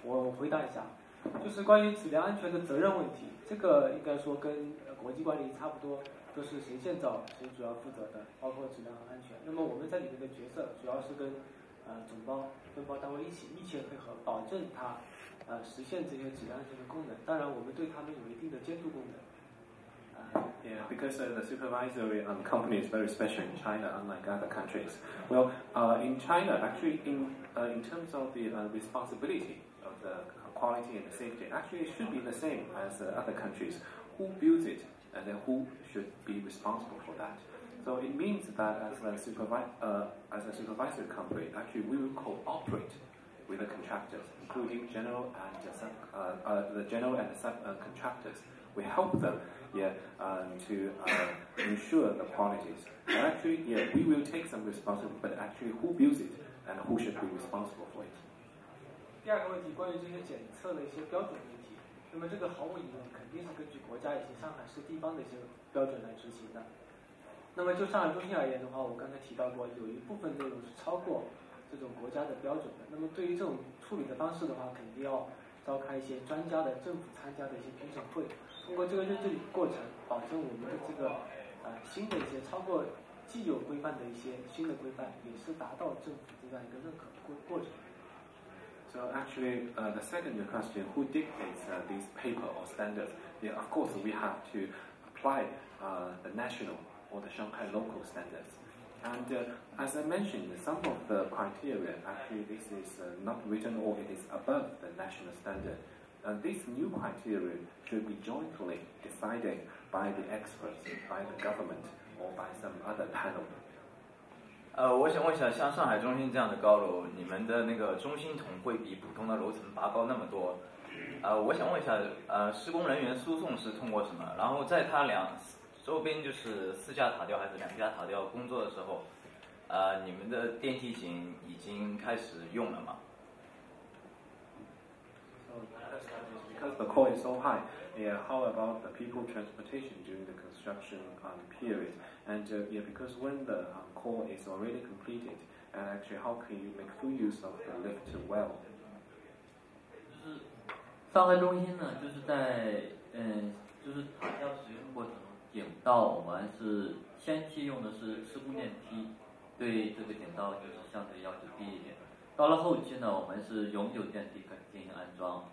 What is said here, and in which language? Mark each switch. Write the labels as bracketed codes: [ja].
[zh] 我回答一下，就是关于质量安全的责任问题，这个应该说跟国际惯例差不多，都是谁建造谁主要负责的，包括质量和安全。那么我们在里面的角色主要是跟总包分包单位一起配合，保证它实现这些质量安全的功能。当然我们对他们有一定的监督功能。 [en] Yeah, because the supervisory company is very special in China, unlike other countries. Well, in China, actually, in terms of the responsibility of the quality and the safety, actually, it should be the same as other countries. Who builds it, and then who should be responsible for that? So it means that as a supervisory company, actually, we will cooperate with the contractors, including general and subcontractors. We help them. To ensure the qualities. And actually, yeah, we will take some responsibility, but actually, who builds it and who should be responsible for it? [zh] 第二个问题，关于这些检测的一些标准问题，那么这个毫无疑问肯定是根据国家以及上海市地方的一些标准来执行的。那么就上海中心而言的话，我刚才提到过，有一部分内容是超过这种国家的标准的。那么对于这种处理的方式的话，肯定要召开一些专家的政府参加的一些评审会。通过这个认证过程，保证我们的这个新的一些超过既有规范的一些新的规范，也是达到政府这样一个认可过程。 [en] So actually, the second question, who dictates this paper or standards? Yeah, of course, we have to apply the national or the Shanghai local standards. And as I mentioned, some of the criteria actually this is not written or it is above the national standard. And this new criteria should be jointly decided by the experts, by the government, or by some other panel. [zh] 我想问一下，像上海中心这样的高楼，你们的那个中心筒会比普通的楼层拔高那么多？我想问一下，施工人员输送是通过什么？然后在他两周边就是四架塔吊还是两架塔吊工作的时候，你们的电梯井已经开始用了吗？ [en] Because the core is so high, yeah, how about the people transportation during the construction period? And yeah, because when the core is already completed, and actually how can you make full use of the lift well? [zh] 上海中心呢，就是在就是塔吊使用过程井道，我们是先期用的是施工电梯，对这个井道就是相对要求低一点。到了后期呢，我们是永久电梯进行安装。